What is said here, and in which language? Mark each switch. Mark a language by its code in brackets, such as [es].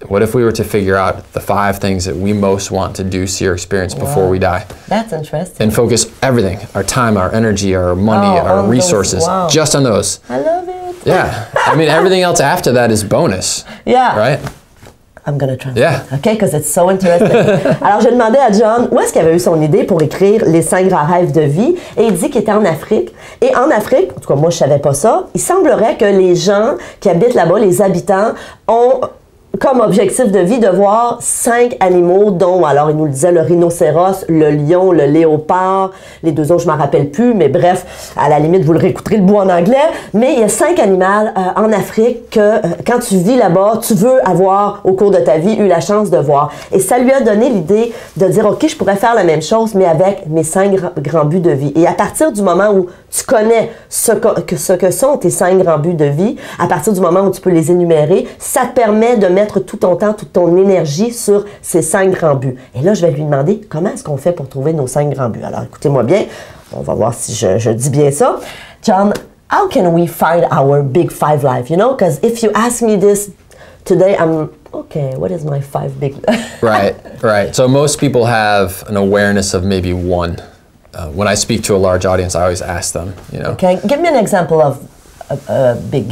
[en] What if we were to figure out the five things that we most want to do, see, or experience before we die? That's interesting. And focus everything, our time, our energy, our money, our resources, just on those. I love it. Yeah. I mean, everything else after that is bonus. Yeah. Right? I'm going to translate. Yeah. Okay, because it's so interesting. [fr] Alors, je demandais à John où est-ce qu'il avait eu son idée pour écrire les cinq grands rêves de vie. Et il dit qu'il était en Afrique. Et en Afrique, en tout cas, moi, je savais pas ça, il semblerait que les gens qui habitent là-bas, les habitants, ont comme objectif de vie de voir 5 animaux, dont, alors il nous le disait, le rhinocéros, le lion, le léopard, les deux autres, je ne m'en rappelle plus, mais bref, à la limite, vous le réécouterez le bout en anglais. Mais il y a 5 animaux en Afrique que, quand tu vis là-bas, tu veux avoir, au cours de ta vie, eu la chance de voir. Et ça lui a donné l'idée de dire, OK, je pourrais faire la même chose, mais avec mes 5 grands buts de vie. Et à partir du moment où tu connais ce que sont tes 5 grands buts de vie, à partir du moment où tu peux les énumérer, ça te permet de mettre tout ton temps, toute ton énergie sur ces 5 grands buts. Et là, je vais lui demander comment est-ce qu'on fait pour trouver nos 5 grands buts. Alors, écoutez-moi bien. On va voir si je dis bien ça. [en] John, how can we find our big 5 life? You know, because if you ask me this today, I'm, okay, what is my 5 big? Right. So most people have an awareness of maybe one. When I speak to a large audience, I always ask them, you know. Okay, give me an example of a big...